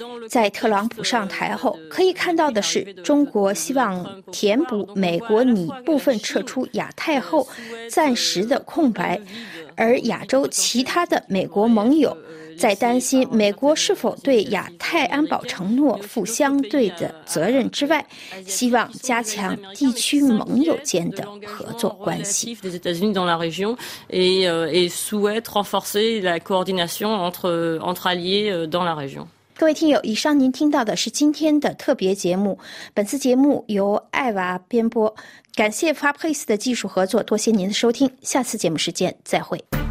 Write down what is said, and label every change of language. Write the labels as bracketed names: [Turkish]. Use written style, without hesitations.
[Chinese] 在特朗普上台后，可以看到的是，中国希望填补美国拟部分撤出亚太后暂时的空白，而亚洲其他的美国盟友在担心美国是否对亚太安保承诺负相对的责任之外，希望加强地区盟友间的合作关系。 [French] des États-Unis dans la région et souhaite renforcer la coordination entre alliés dans la région。 [Chinese] 各位听友，以上您听到的是今天的特别节目，本次节目由艾娃编播，感谢 Fabrice 的技术合作，多谢您的收听，下次节目时间再会。